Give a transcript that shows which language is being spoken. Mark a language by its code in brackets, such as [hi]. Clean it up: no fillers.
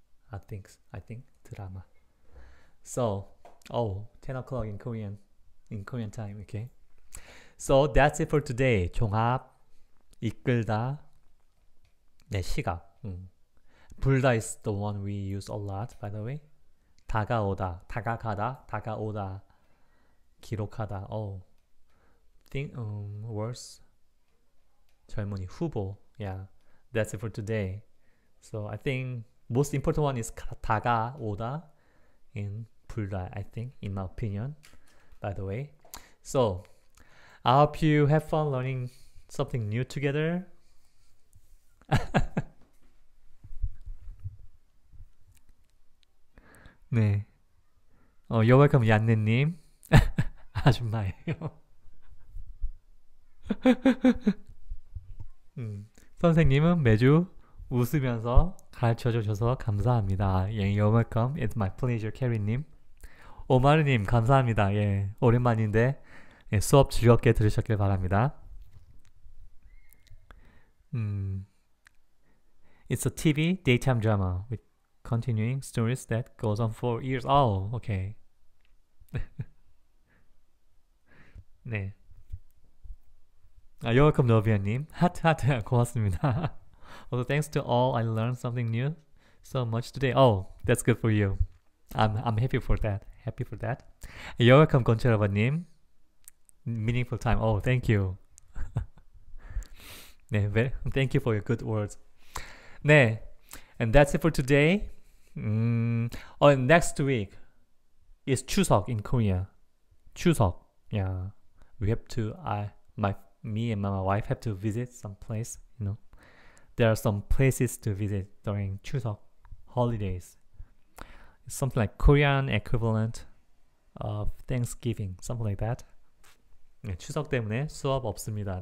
[en] I think drama. So, oh, 10 o'clock in Korean time, okay? So that's it for today. 종합, 이끌다, 내 시각. 불다 is the one we use a lot, by the way. [ko] 다가오다, 다가가다, 다가오다, 기록하다. [en] Words. 젊은이, 후보. Yeah, that's it for today. So I think most important one is 다가오다 in 불다, I think, in my opinion, by the way. So I hope you have fun learning something new together. You're welcome, 얀네님. 아줌마예요. [ko] 선생님은 매주 웃으면서 가르쳐주셔서 감사합니다. [en] Yeah, you're welcome. It's my pleasure, Carrie님. 오마르님, 감사합니다. [ko] 예, 오랜만인데 예, 수업 즐겁게 들으셨길 바랍니다. [en] It's a TV daytime drama with continuing stories that goes on for years. Oh, okay. 네. 아, you're welcome, 노비아님. [ko] 하트하트, 고맙습니다. [en] Also, thanks to all, I learned something new so much today. Oh, that's good for you. I'm happy for that. Happy for that. You're welcome, 건철아버님. Meaningful time. Oh, thank you. 네, thank you for your good words. 네, and that's it for today. Next week is 추석 in Korea. 추석. Yeah. We have to, me and my wife have to visit some place, you know. There are some places to visit during Chuseok holidays. Something like Korean equivalent of Thanksgiving, something like that. [ko] 네, 추석 때문에 수업 없습니다.